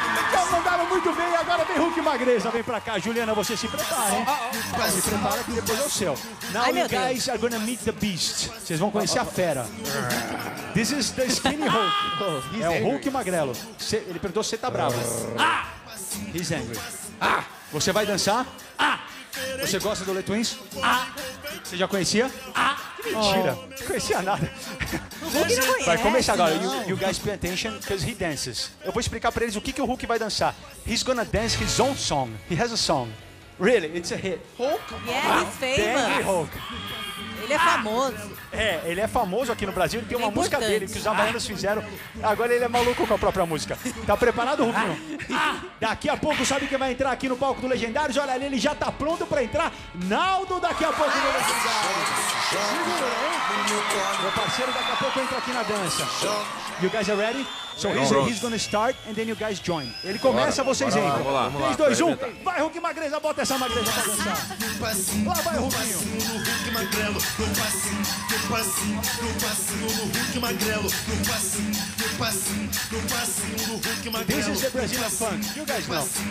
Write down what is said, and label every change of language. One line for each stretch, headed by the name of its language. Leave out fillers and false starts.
Portuguese: Já mandaram muito bem, agora vem Hulk Magreza, vem pra cá. Juliana, você se prepara, hein? Se prepara que depois é o seu.
English: Now you guys are gonna meet the beast.
Portuguese: Vocês vão conhecer a fera.
English: This is the skinny Hulk.
Portuguese: É o Hulk Magrelo. Ele perguntou se você tá bravo.
English: He's angry.
Portuguese: Você vai dançar? Você gosta do Letwins? Você já conhecia? Mentira, não conhecia nada. Vai começar agora.
English: You guys pay attention because he dances.
Portuguese: Eu vou explicar pra eles o que o Hulk vai dançar.
English: He's gonna dance his own song. He has a song. Really, it's a hit. Hulk? Yeah, he's famous. Hulk.
Portuguese: Ele é famoso. Ele é famoso aqui no Brasil. Ele tem uma música dele que os havaianos fizeram. Agora ele é maluco com a própria música. Tá preparado, Rubinho? Daqui a pouco, sabe quem vai entrar aqui no palco do Legendários? Olha ali, ele já tá pronto pra entrar. Naldo, daqui a pouco, no Legendários. Meu parceiro, daqui a pouco entra aqui na dança.
English: You guys are ready? So he's gonna start and then you guys join.
Portuguese: Ele começa, vocês entram. 3, 2, 1. Vai, Hulk Magreza, bota essa magreza pra dançar. Lá vai, Rubinho.
English: This is the Brazilian funk. You guys know.